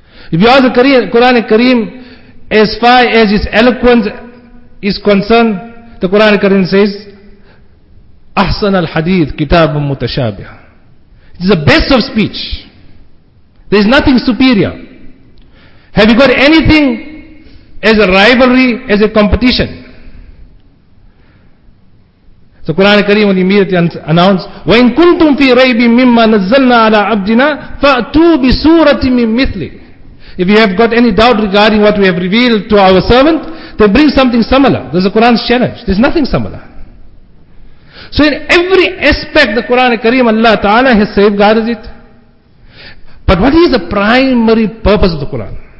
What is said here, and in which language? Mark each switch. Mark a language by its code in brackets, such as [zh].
[en] If you ask the Quran Kareem, as far as its eloquence is concerned, the Quran Kareem says, [ar] Ahsan al hadith kitabun mutashabih. [en] It is the best of speech. There is nothing superior. Have you got anything as a rivalry, as a competition? [ar] So Quran Kareem will immediately announce, وَإِن كُنْتُمْ فِي رَيْبٍ مِمَّا نَزَّلْنَا عَلَىٰ عَبْدِنَا فَأْتُوا بِسُورَةٍ مِّن مِثْلِ. [en] If you have got any doubt regarding what we have revealed to our servant, then bring something similar. This is the Quran's challenge. There's nothing similar. So in every aspect, the Quran Kareem, Allah Ta'ala has safeguarded it. But what is the primary purpose of the Quran?